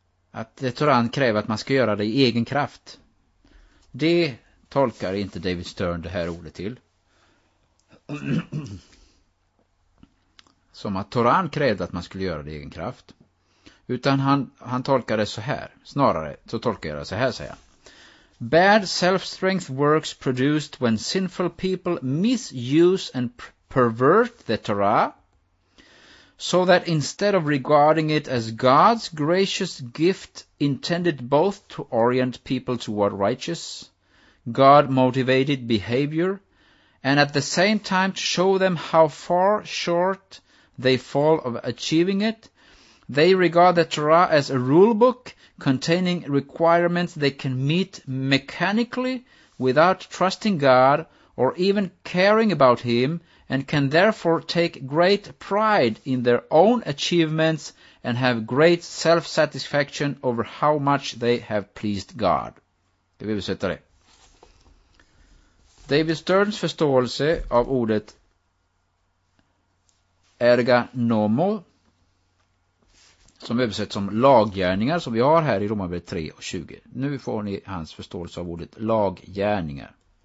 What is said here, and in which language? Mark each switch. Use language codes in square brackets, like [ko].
[sv] Att det Toran kräver att man ska göra det i egen kraft. Det tolkar inte David Stern det här ordet till. Som att Toran krävde att man skulle göra det i egen kraft. Utan han tolkar det så här. Snarare så tolkar jag det så här, säger han. [en] Bad self-strength works produced when sinful people misuse and pervert the Torah. So that instead of regarding it as God's gracious gift intended both to orient people toward righteous, God-motivated behavior, and at the same time show them how far short they fall of achieving it, they regard the Torah as a rulebook containing requirements they can meet mechanically without trusting God or even caring about Him, and can therefore take great pride in their own achievements and have great self-satisfaction over how much they have pleased God. [sv] Det vill vi sätta det. David Sterns förståelse av ordet erga nomo, som översätts som laggärningar som vi har här i Romarbrevet 3 och 20. Nu får ni hans förståelse av ordet laggärningar.